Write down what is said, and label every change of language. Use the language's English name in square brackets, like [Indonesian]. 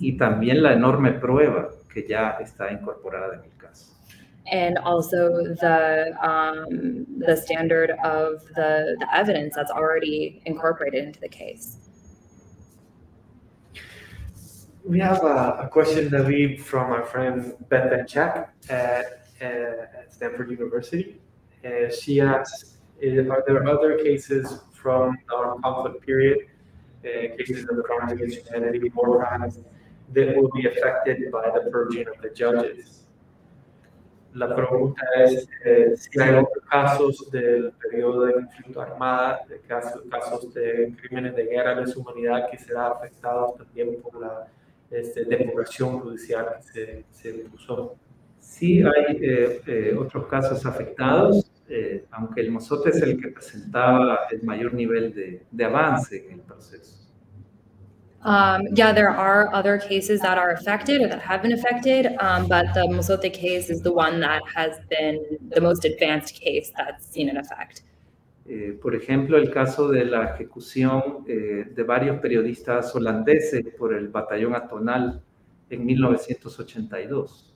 [Spanish] Y también la enorme prueba que ya está incorporada en el caso. [English] And also the standard of the evidence that's already incorporated into the case. We have a question, David, from our friend Beth Benchak at Stanford University. She asks, are there other cases from our conflict period, cases of the crimes against humanity, war crimes, that will be affected by the purging of the judges? [Spanish] La pregunta es si hay otros casos del periodo de conflicto armada, de casos de crímenes de guerra, de deshumanidad, que será afectado también por la depuración judicial que se impuso. Sí, hay otros casos afectados, aunque el Mozote es el que presentaba el mayor nivel de avance en el proceso. [English] Yeah, there are other cases that are affected or that have been affected, but the Mozote case is the one that has been the most advanced case that's seen an effect. [Spanish] Por ejemplo, el caso de la ejecución de varios periodistas holandeses por el batallón atonal en 1982.